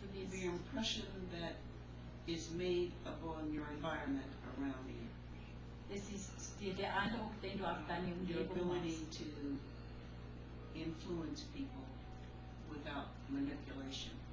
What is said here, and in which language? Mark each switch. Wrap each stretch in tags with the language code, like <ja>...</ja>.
<en>The impression that is made upon your environment around you.</en> <de>Das ist der Eindruck, den du auf deine Umgebung hast.</de> <en>The ability to influence people without manipulation.</en>